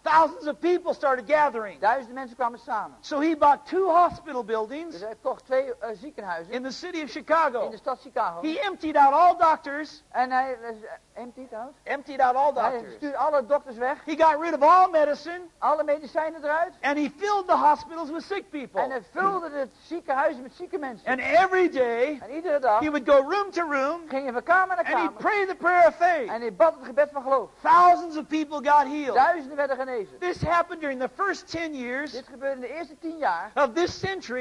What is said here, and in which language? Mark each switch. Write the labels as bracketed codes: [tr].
[en] Thousands of people started gathering. [nl] Duizenden mensen kwamen samen. [en] So he bought 2 hospital buildings. [nl] Dus hij kocht 2 ziekenhuizen. [en] In the city of Chicago. [nl] In de stad Chicago. [en] He emptied out all doctors. [nl] En hij [en] emptied out. Emptied out all doctors. [nl] Hij stuurde alle dokters weg. [en] He got rid of all medicine. [nl] Alle medicijnen eruit. [en] And he filled the hospitals with sick people. [nl] En hij vulde het ziekenhuis met zieke mensen. [en] And every day. [nl] En iedere dag. [en] He would go room to room. [nl] Ging hij van kamer naar kamer. [en] And he prayed the prayer of faith. [nl] En hij bad het gebed van geloof. [en] Thousands of people got healed. [nl] Duizenden werden genezen. [en] This happened during the first 10 years. [nl] Dit gebeurde in de eerste 10 jaar. [en] Of this century.